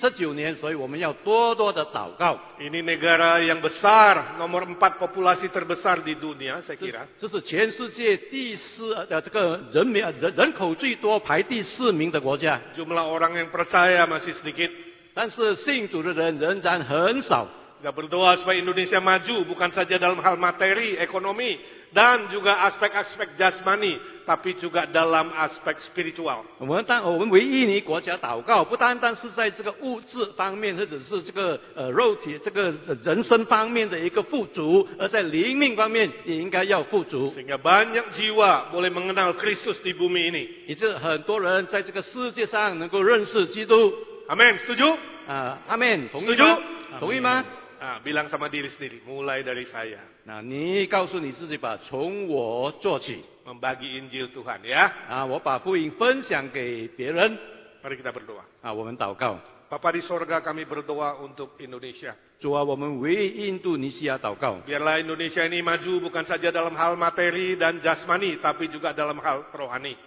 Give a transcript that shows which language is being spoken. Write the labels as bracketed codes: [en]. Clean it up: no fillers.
[zh] 我们感恩我们的国家已经独立了79年，所以我们要多多的祷告. [id] Ini negara yang besar, nomor 4 populasi terbesar di dunia, saya kira. [zh] 这是全世界第四，这个人口最多排第四名的国家. [id] Jumlah orang yang percaya masih sedikit. [zh] 但是信主的人仍然很少. [id] Kita berdoa supaya Indonesia maju, bukan saja dalam hal materi, ekonomi, dan juga aspek-aspek jasmani, tapi juga dalam aspek spiritual. Sehingga banyak jiwa boleh mengenal Kristus di bumi ini. Amin, setuju? Amin, setuju? Setuju? Bilang sama diri sendiri, mulai dari saya. [zh] Nah, 你告诉你自己吧, 从我做起. [id] Membagi Injil Tuhan, ya. [zh] 我把福音分享给别人. [id] Mari kita berdoa. [zh] 我们祷告. [id] Papa di sorga, kami berdoa untuk Indonesia. [zh] 主啊, 我们为印度尼西亚祷告. [id] Biarlah Indonesia ini maju bukan saja dalam hal materi dan jasmani, tapi juga dalam hal rohani.